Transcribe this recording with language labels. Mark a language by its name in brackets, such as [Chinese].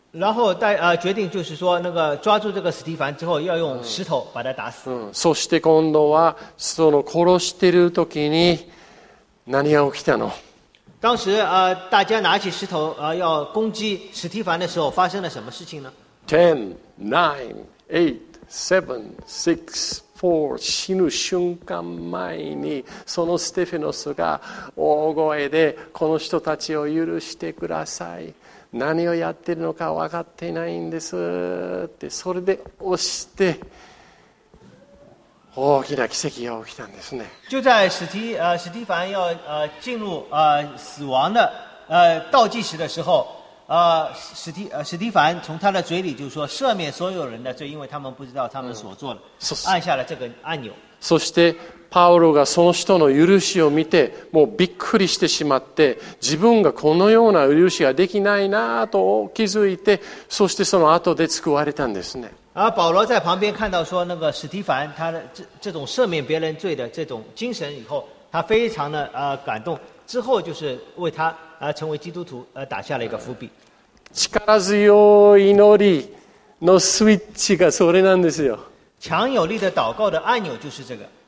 [Chinese] 然后决定就是说那个抓住这个史蒂凡之后要用石头把他打死。 [Japanese] そして今度はその殺してる時に何が起きたの？ [Chinese] 当时、大家拿起石头、要攻击史蒂凡的时候发生了什么事情呢？ [Japanese] 10 9 8 7 6死ぬ瞬間前にそのステフェノスが大声でこの人たちを許してください、何をやってるのか分かっていないんですって、それで押して大きな奇跡が起きたんですね。 [Chinese] 就在史蒂凡要进入死亡的倒计时的时候、史蒂凡从他的嘴里就说赦免所有人的罪，因为他们不知道他们所做的，按下了这个按钮。 [Japanese] そしてパウロがその人の許しを見てもうびっくりしてしまって、自分がこのような許しができないなと気づいて、そしてその後で救われたんですね。 [Chinese] 保罗在旁边看到说那个史蒂凡他的 这种赦免别人罪的这种精神以后，他非常的、感动，之后就是为他成为基督徒打下了一个伏笔。 [Japanese] 力強い祈りのスイッチがそれなんですよ。 [Chinese] 强有力的祷告的按钮就是这个。